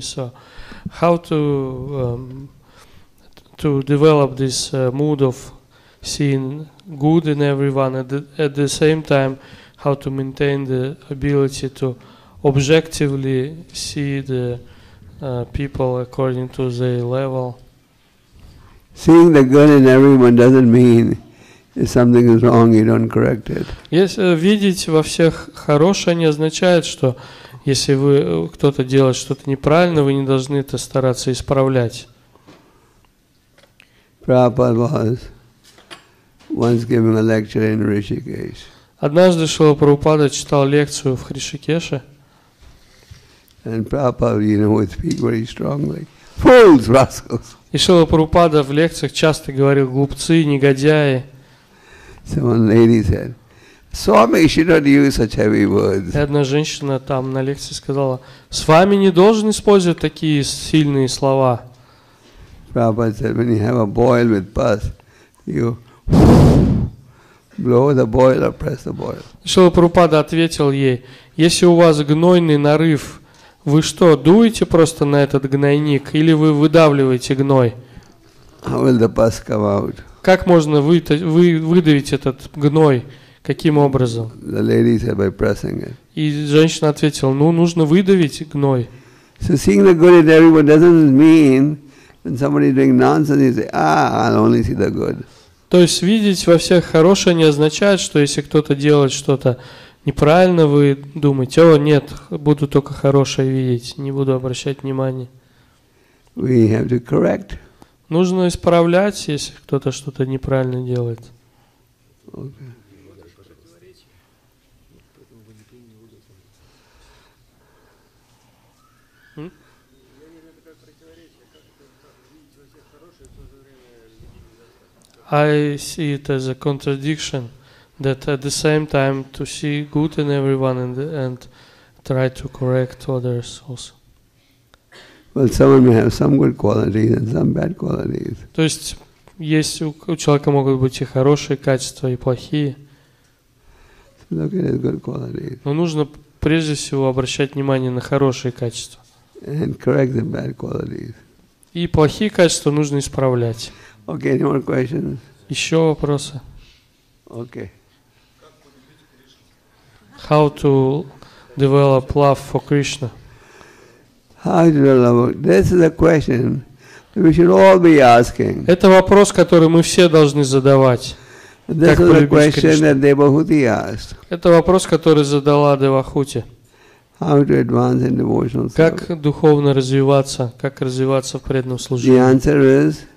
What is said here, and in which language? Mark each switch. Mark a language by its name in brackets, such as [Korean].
[English] So how to develop this mood of seeing good in everyone, and at the same time how to maintain the ability to objectively see the people according to their level. Seeing the good in everyone doesn't mean if something is wrong you don't correct it. [Russian] Если видеть во всех хорошее, не означает, что если вы кто-то делает что-то неправильно, вы не должны это стараться исправлять. [English] Prabhupada was once giving a lecture in Rishikesh. [Russian] Однажды Шрила Прабхупада читал лекцию в Хришикеше. [English] And Prabhupada, you know, would speak very strongly. Fools, rascals. [Russian] И Шрила Прабхупада в лекциях часто говорил: глупцы, негодяи. [English] So one lady said, Swami should not use such heavy words. [Russian] И одна женщина там на лекции сказала: с вами не должен использовать такие сильные слова. [English] Prabhupada said, when you have a boil with pus, you blow the boil or press the boil. [Russian] Шрила Прабхупада ответил ей: если у вас гнойный нарыв, вы что, дуете просто на этот гнойник или вы выдавливаете гной? [English] How will the pus come out? [Russian] Как можно выдавить этот гной? Каким образом? [English] The lady said, by pressing it. [Russian] И женщина ответила: ну, нужно выдавить гной. [English] So seeing the good in everyone doesn't mean when somebody doing nonsense, you say, I'll only see the good. [Russian] То есть видеть во всех хорошее не означает, что если кто-то делает что-то неправильно, вы думаете: о, нет, буду только хорошее видеть, не буду обращать внимания. [English] We have to correct. [Russian] Нужно исправлять, если кто-то что-то неправильно делает. [English] Okay. I see it as a contradiction that at the same time to see good in everyone and try to correct others also. Well, someone may have some good qualities and some bad qualities. [Russian] То есть есть у человека могут быть и хорошие качества, и плохие. [English] So look at his good qualities. [Russian] Но нужно прежде всего обращать внимание на хорошие качества. [English] And correct the bad qualities. [Russian] И плохие качества нужно исправлять. [English] Okay, any more questions? [Russian] Еще вопросы? [English] Okay. How to develop love for Krishna? How to develop? This is a question that we should all be asking. [Russian] Это вопрос, который мы все должны задавать. [English] This is a question that Devahuti asked. [Russian] Это вопрос, который задала Девахути. Как духовно развиваться, как развиваться в преданном служении?